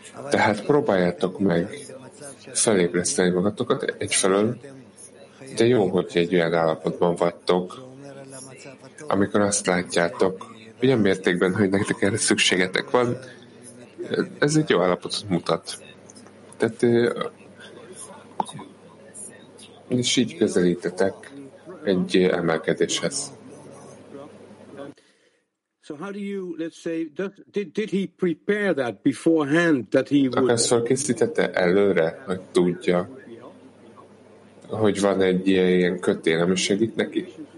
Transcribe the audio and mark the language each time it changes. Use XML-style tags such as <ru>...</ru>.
<hu>Tehát próbáljátok meg felébreszteni magatokat egyfelől, de jó, hogy egy olyan állapotban vagytok, amikor azt látjátok, olyan mértékben, hogy nektek erre szükségetek van, ez egy jó állapotot mutat. Tehát és így közelítetek egy emelkedéshez.</hu> <en>So how do you, let's say, did he prepare that beforehand that he would?</en> <hu>Akkor ezt felkészítette előre, hogy tudja, hogy van egy ilyen kötél, ami segít neki.</hu>